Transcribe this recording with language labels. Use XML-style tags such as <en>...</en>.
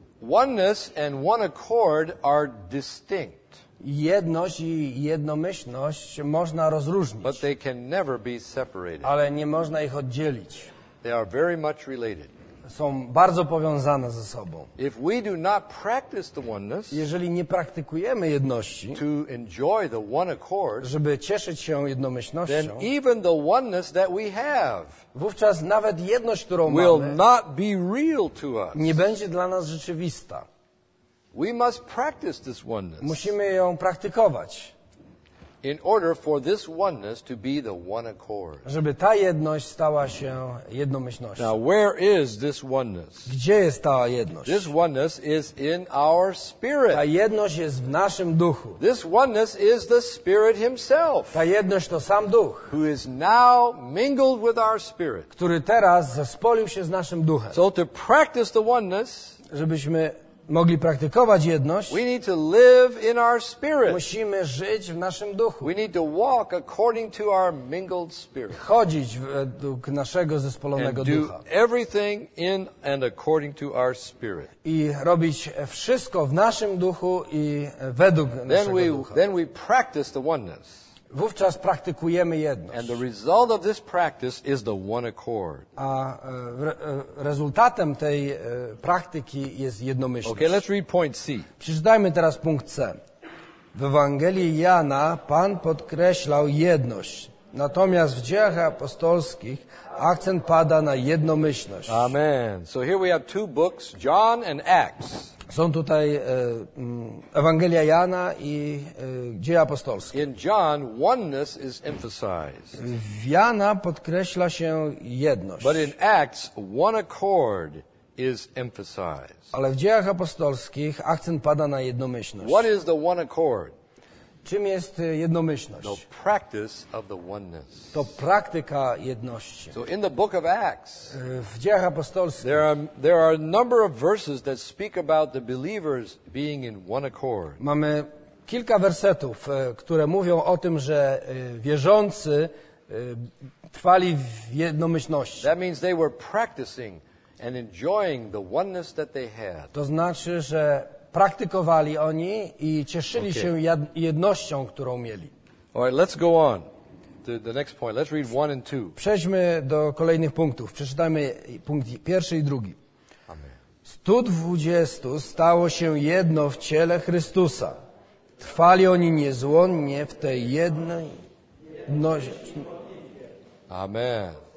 <en>Oneness and one accord are distinct.</en> <pl>Jedność i jednomyślność można rozróżnić.</pl> <en>But they can never be separated.</en> <pl>Ale nie można ich oddzielić.</pl> <en>They are very much related.</en> <pl>Są bardzo powiązane ze sobą.</pl> <en>If we do not practice the oneness,</en> <pl>jeżeli nie praktykujemy jedności,</pl> <en>to enjoy the one accord,</en> <pl>żeby cieszyć się jednomyślnością,</pl> <en>then even the oneness that we have,</en> <pl>wówczas nawet jedność, którą mamy,</pl> <en>will not be real to us.</en> <pl>Nie będzie dla nas rzeczywista.</pl> <en>We must practice this oneness.</en> <pl>Musimy ją praktykować.</pl> <en>In order for this oneness to be the one accord.</en> <pl>Żeby ta jedność stała się jednomyślnością.</pl> <en>Now where is this oneness?</en> <pl>Gdzie jest ta jedność?</pl> <en>This oneness is in our spirit.</en> <pl>Ta jedność jest w naszym duchu.</pl> <en>This oneness is the spirit himself.</en> <pl>Ta jedność to sam duch.</pl> <en>Who is now mingled with our spirit.</en> <pl>Który teraz zespolił się z naszym duchem.</pl> <en>So to practice the oneness,</en> <pl>żebyśmy mogli praktykować jedność.</pl> <en>We need to live in our spirit.</en> <pl>Musimy żyć w naszym duchu.</pl> <en>We need to walk according to our mingled spirit.</en> <pl>Chodzić według naszego zespolonego</pl> <en>and</en> <pl>ducha.</pl> <en>Do everything in and according to our spirit.</en> <pl>I robić wszystko w naszym duchu i według</pl> <en>then</en> <pl>naszego</pl> <en>we,</en> <pl>ducha.</pl> <en>Then we practice the oneness.</en> <pl>Wówczas praktykujemy jedność.</pl> <en>And the result of this practice is the one accord.</en> <pl>A rezultatem tej praktyki jest jednomyślność.</pl> <en>Okay, let's read point C.</en> <pl>Przeczytajmy teraz punkt C. W Ewangelii Jana Pan podkreślał jedność. Natomiast w dziejach apostolskich akcent pada na jednomyślność. Amen.</pl> <en>So here we have two books, John and Acts.</en> <pl>Są tutaj Ewangelia Jana i Dzieje Apostolskie.</pl> <en>In John, oneness is emphasized.</en> <pl>W Jana podkreśla się jedność.</pl> <en>But in Acts, one accord is emphasized.</en> <pl>Ale w Dziejach Apostolskich akcent pada na jednomyślność.</pl> <en>What is the one accord?</en> <pl>Czym jest jednomyślność?</pl> <en>The practice of the oneness.</en> <pl>To praktyka jedności.</pl> <en>So in the book of Acts,</en> <pl>w Dziejach Apostolskich,</pl> <en>there are a number of verses that speak about the believers being in one accord.</en> <pl>Mamy kilka wersetów, które mówią o tym, że wierzący trwali w jednomyślności.</pl> <en>That means they were practicing and enjoying the oneness that they had.</en> <pl>To znaczy, że praktykowali oni i cieszyli okay. się jednością, którą mieli.</pl> <en>All right, let's go on to the next point. Let's read one and two.</en> <pl>Przejdźmy do kolejnych punktów. Przeczytajmy punkt pierwszy i drugi. Amen. 120 stało się jedno w ciele Chrystusa. Trwali oni niezłomnie w tej jednej jedności. Amen.</pl>